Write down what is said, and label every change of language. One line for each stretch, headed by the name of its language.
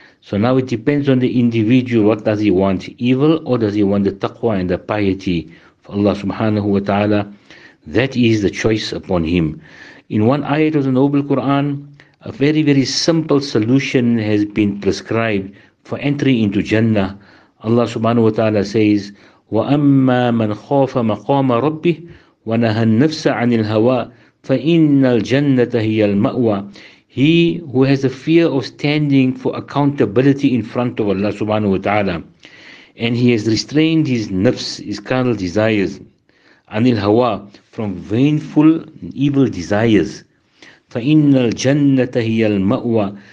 English: So now it depends on the individual, what does he want, evil, or does he want the taqwa and the piety of Allah subhanahu wa ta'ala? That is the choice upon him. In one ayat of the noble Quran, a very, very simple solution has been prescribed for entry into Jannah.
Arabic: Allah subhanahu wa ta'ala says, وَأَمَّا مَنْ خَوْفَ مَقَامَ رَبِّهِ وَنَهَى النَّفْسَ عَنِ الْهَوَىٰ فَإِنَّ الْجَنَّةَ هِيَ الْمَأْوَىٰ.
English: He who has a fear of standing for accountability in front of Allah subhanahu wa ta'ala, and he has restrained his nafs, his carnal desires,
Arabic: عَنِ الْهَوَىٰ,
English: from vainful and evil desires,
Arabic: فَإِنَّ الْجَنَّةَ هِيَ الْمَأْوَىٰ.